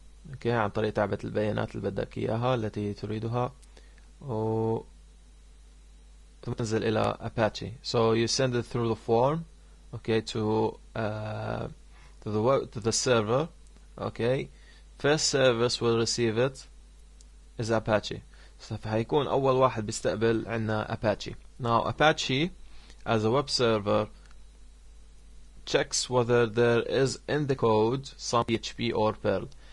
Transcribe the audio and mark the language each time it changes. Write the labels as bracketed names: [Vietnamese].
[Arabic] اوكي, عن طريق تعباية البيانات اللي بدك اياها التي تريدها, و تنزل الى Apache. [English] So you send it through the form, okay, to the server. Okay, first service will receive it is Apache. [Arabic] So فهيكون أول واحد بيستقبل عنا Apache. [English] Now Apache as a web server checks whether there is in the code some PHP or Perl.